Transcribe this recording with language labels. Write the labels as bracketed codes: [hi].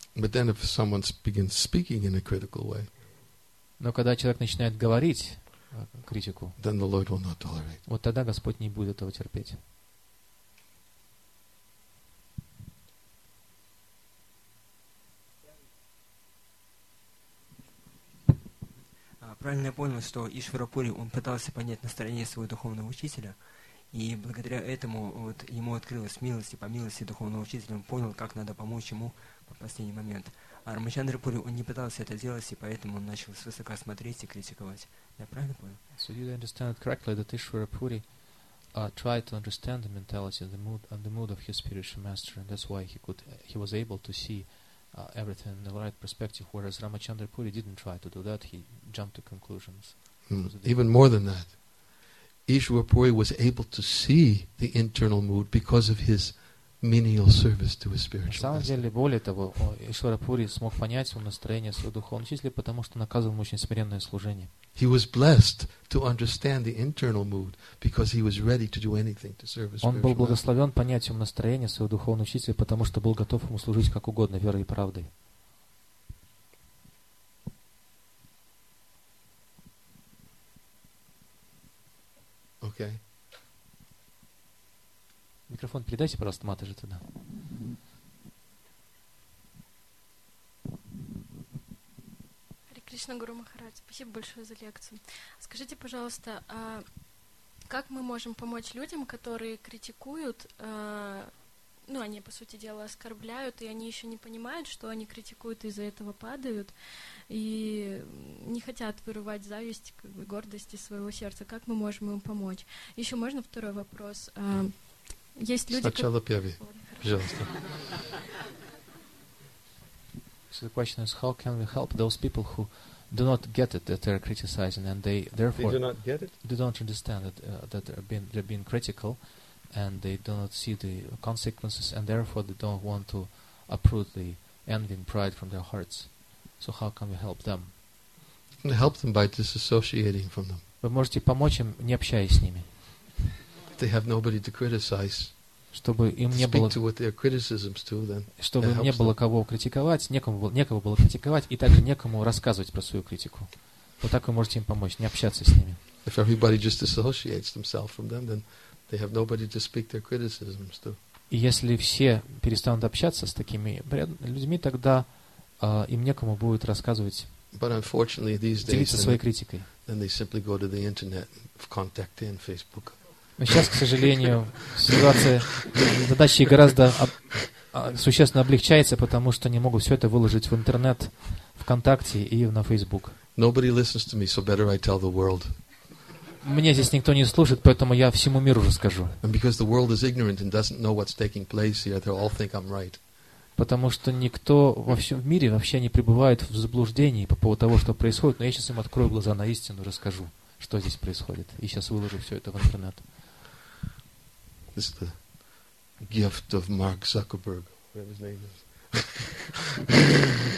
[en] But then if someone begins speaking in a critical way, [ru] но когда человек начинает говорить критику, [en] then the Lord will not tolerate. [ru] Вот тогда Господь не будет этого терпеть. Правильно я понял, что Ишварапури, он пытался понять настроение своего духовного учителя, и благодаря этому вот ему открылась милость, и по милости духовного учителя он понял, как надо помочь ему в последний момент. А Рамачандрапури, он не пытался это делать, и поэтому он начал свысока смотреть и критиковать. Я правильно понял? [en] So you understand correctly that Ишварапури tried to understand the mentality and the mood of his spiritual master, and that's why he was able to see everything in the right perspective, whereas Рамачандрапури didn't try to do that, he jumped to conclusions. Even more than that, Ишварапури was able to see the internal mood because of his menial service to his spiritual master. [ru] На самом деле, более того, Ишварапури смог понять его настроение своего духовного учителя, потому что он оказывал ему очень смиренное служение. [en] He was blessed to understand the internal mood because he was ready to do anything to serve his spiritual. [ru] Он был благословен понятием настроения своего духовного учителя, потому что был готов ему служить как угодно, верой и правдой. [en] Okay. [ru] Микрофон передайте, пожалуйста, Матаджи туда. Хари Кришна, Гуру Махарадж, спасибо большое за лекцию. Скажите, пожалуйста, как мы можем помочь людям, которые критикуют, ну, они, по сути дела, оскорбляют, и они еще не понимают, что они критикуют, из-за этого падают, и не хотят вырывать зависть, как бы, гордость из своего сердца. Как мы можем им помочь? Еще можно второй вопрос? Есть люди, сначала первый, пожалуйста. [en] So the question is, how can we help those people who do not get it that they're criticizing, and they therefore they do not get it? They don't understand that that they're being critical, and they do not see the consequences, and therefore they don't want to uproot the envy and pride from their hearts. So how can we help them? You can help them by disassociating from them. [ru] Вы можете помочь им, не общаясь с ними. [en] They have nobody to criticize. [ru] Чтобы им не было, [en] speak to with their criticisms too, then. [ru] Чтобы им не было кого критиковать, некого было критиковать, и также некому рассказывать про свою критику. Вот так вы можете им помочь, не общаться с ними. [en] If everybody just disassociates themselves from them, then they have nobody to speak their criticisms to. [ru] И если все перестанут общаться с такими людьми, тогда им некому будет рассказывать. [en] But unfortunately, these days, [ru] делиться своей критикой. [en] Then they simply go to the internet, contact in Facebook. [ru] Но сейчас, к сожалению, ситуация задачи гораздо существенно облегчается, потому что они могут все это выложить в интернет, ВКонтакте и на Фейсбук. [en] Nobody listens to me, so better I tell the world. [ru] Меня здесь никто не слушает, поэтому я всему миру расскажу. [en] And because the world is ignorant and doesn't know what's taking place here, they all think I'm right. [ru] Потому что никто во всем мире вообще не пребывает в заблуждении по поводу того, что происходит, но я сейчас им открою глаза на истину и расскажу, что здесь происходит. И сейчас выложу все это в интернет. [en] This is the gift of Mark Zuckerberg. Whatever his name is.